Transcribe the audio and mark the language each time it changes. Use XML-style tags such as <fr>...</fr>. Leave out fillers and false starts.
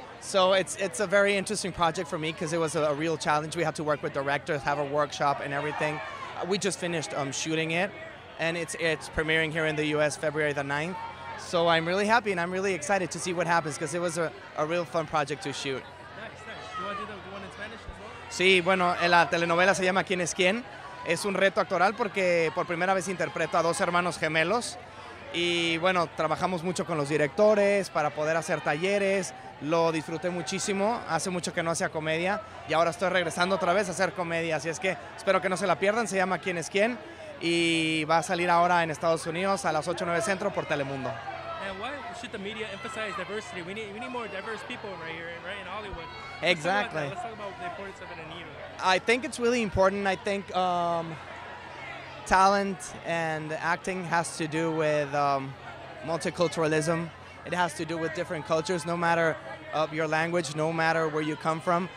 <en>So it's a very interesting project for me because it was a real challenge. We had to work with directors, have a workshop and everything. We just finished shooting it, and it's premiering here in the U.S. February the 9th. So I'm really happy and I'm really excited to see what happens because it was a real fun project to shoot. Nice. Do you want to do the one in Spanish as well?</en> <es>Sí, bueno, la telenovela se llama ¿Quién es quién? Es un reto actoral porque por primera vez interpreto a dos hermanos gemelos. Y bueno, trabajamos mucho con los directores para poder hacer talleres. Lo disfruté muchísimo. Hace mucho que no hacía comedia y ahora estoy regresando otra vez a hacer comedia. Así es que espero que no se la pierdan. Se llama ¿Quién es quién? Y va a salir ahora en Estados Unidos a las 8:09 centro por Telemundo.</es> <en>And why should the media emphasize diversity? We need more diverse people right here, right, in Hollywood. Exactly. Let's talk about the importance of it in Hollywood. I think it's really important. I think talent and acting has to do with multiculturalism. It has to do with different cultures, no matter of your language, no matter where you come from.</en>